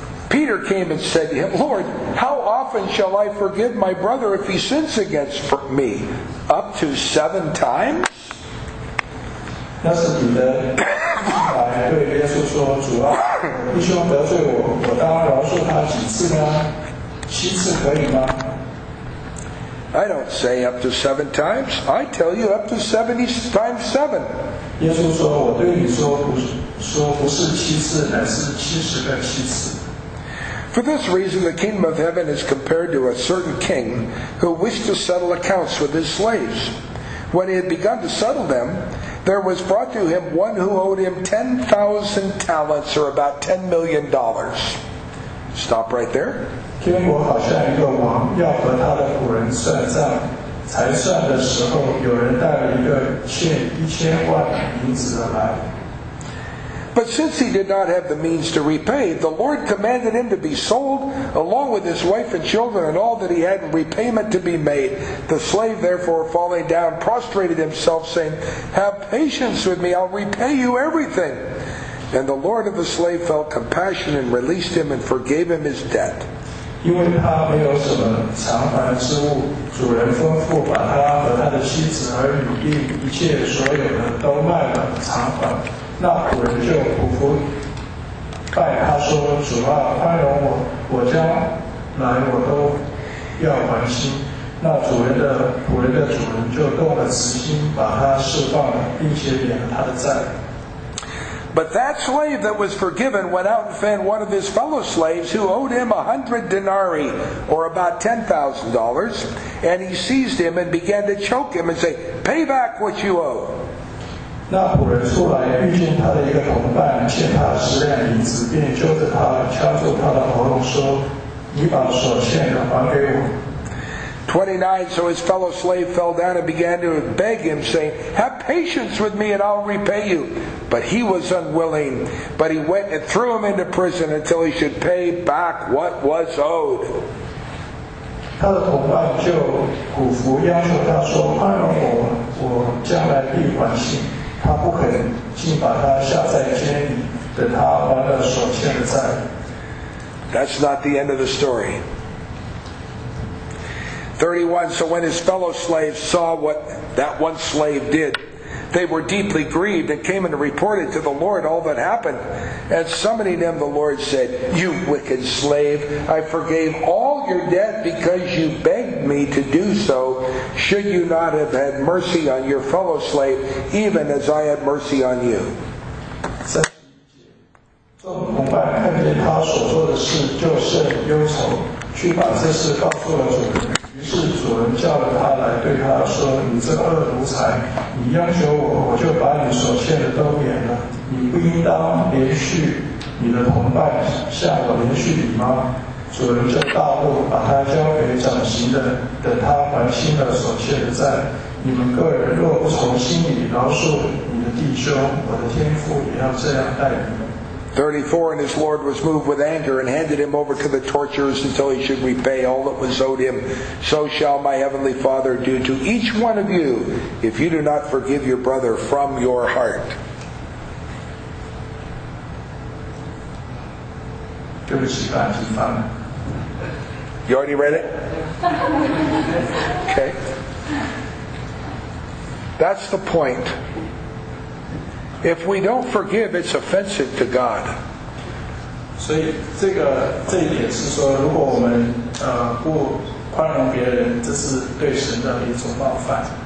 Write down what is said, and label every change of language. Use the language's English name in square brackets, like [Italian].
[English] Peter came and said to him, Lord, how often shall I forgive my brother if he sins against me? Up to seven times? [Chinese] 那是彼得对耶稣说，主啊，弟兄得罪我，我当饶恕他几次呢？七次可以吗？ [English] I don't say up to seven times. I tell you up to 70 times seven. [Chinese] 耶稣说，我对你说不是七次，乃是七十个七次。 [English] For this reason, the kingdom of heaven is compared to a certain king who wished to settle accounts with his slaves. When he had begun to settle them, there was brought to him one who owed him 10,000 talents, or about $10 million. Stop right there. [Chinese] 天国好像一个王要和他的仆人算账，才算的时候，有人带了一个欠1,000,000银子的来。 [English] But since he did not have the means to repay, the Lord commanded him to be sold, along with his wife and children and all that he had in repayment to be made. The slave therefore, falling down, prostrated himself, saying, Have patience with me, I'll repay you everything. And the Lord of the slave felt compassion and released him and forgave him his debt. [Chinese] 因为他没有什么偿还之物，主人吩咐把他和他的妻子儿女并一切所有的都卖了偿还。那仆人就苦苦拜他说：“主啊，宽容我，我将来我都要还清。” 那主人的仆人的主人就动了慈心，把他释放了，并且免了他的债。 [English] But that slave that was forgiven went out and found one of his fellow slaves who owed him 100 denarii, or about $10,000, and he seized him and began to choke him and say, Pay back what you owe. [Chinese] 那仆人出来遇见他的一个同伴欠他10两银子，便揪着他敲住他的喉咙说，你把所欠的还给我。 [English] 29, so his fellow slave fell down and began to beg him, saying, Have patience with me and I'll repay you. But he was unwilling, but he went and threw him into prison until he should pay back what was owed. [Chinese] 他的同伴就苦苦央求他说，宽容我，我将来必还清。他不肯，竟把他下在监里，等他还了所欠的债。 [English] That's not the end of the story. 31, so when his fellow slaves saw what that one slave did, they were deeply grieved and came and reported to the Lord all that happened. And summoning him, the Lord said, You wicked slave, I forgave all your debt because you begged me to do so. Should you not have had mercy on your fellow slave, even as I had mercy on you? [Chinese] 众同伴看见他所做的事，就甚忧愁，去把这事告诉了主人。于是主人叫了他来，对他说：“你这恶奴才，你央求我，我就把你所欠的都免了。你不应当连续你的同伴向我连续礼吗？” 主人就大怒，把他交给掌刑的，等他还清了所欠的债。你们个人若不从心里饶恕你的弟兄，我的天父也要这样待你。 [English] 34, and his Lord was moved with anger and handed him over to the torturers until he should repay all that was owed him. So shall my heavenly Father do to each one of you if you do not forgive your brother from your heart. [Chinese] 对不起，翻译反了。 [English] You already read it? Okay. That's the point. If we don't forgive, it's offensive to God. [Chinese] 所以这一点是说，如果我们不宽容别人，这是对神的一种冒犯。